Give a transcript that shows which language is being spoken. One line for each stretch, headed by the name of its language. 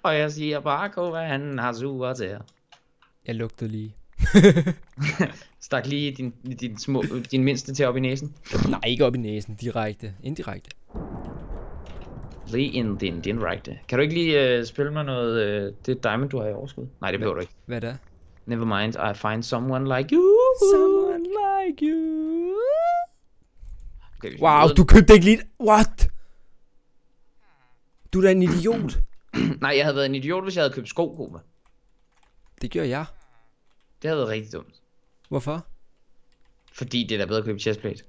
Danish: Og jeg siger bare, Kova, han har super til jer. Jeg lugtede lige. Stak lige din mindste til op i næsen. Nej, ikke op i næsen. Direkte. Indirekte. Lige ind din direkte. Kan du ikke lige spille mig noget det diamond, du har i overskud? Nej, det behøver du ikke. Hvad er?
English: Never mind, I find someone like you. Someone like you.
Danish: Okay, wow, du købte ikke lige...
English: What?
Danish: Du er da en idiot. Nej, jeg havde været en idiot, hvis jeg havde købt sko, Kuba. Det gjorde jeg. Det havde været rigtig dumt. Hvorfor? Fordi det er da bedre at købe chestplate.